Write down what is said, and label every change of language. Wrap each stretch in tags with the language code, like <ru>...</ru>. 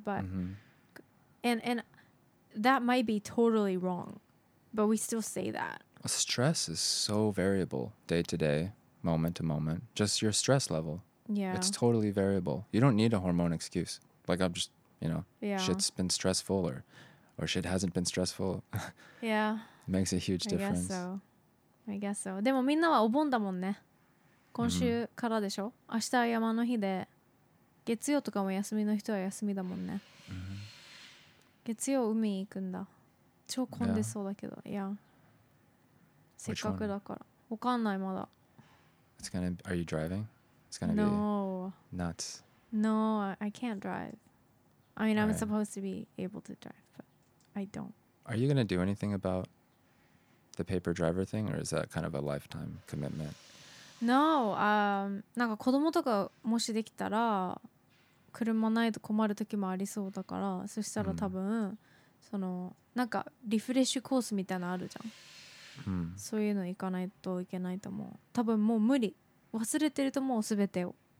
<en>But and that might be totally wrong, but we still say that. Stress is so variable day to day, moment to moment. Just your stress level. Yeah. It's totally variable. You don't need a hormone excuse. Like I'm just, you know, shit's been stressful or shit hasn't been stressful. Yeah. Makes a huge difference. I guess so.</en> <ja>でもみんなはお盆だもんね。今週からでしょ。明日は山の日で、月曜とかも休みの人は休みだもんね。月曜海行くんだ。超混んでそうだけど、せっかくだから。わかんないまだ。</ja> <en>It's gonna be, are you driving? It's gonna be nuts. No, I can't drive. I mean, I'm supposed to be able to drive, but I don't. Are you gonna do anything about... the paper driver thing, or is that kind of a lifetime commitment? No,</en> <ja>なんか子供とかもしできたら車ないと困る時もありそうだから、そしたら多分そのなんかリフレッシュコースみたいなのあるじゃん、うん、そういうの行かないといけないと思う。多分もう無理、忘れてると思う全てを、</ja>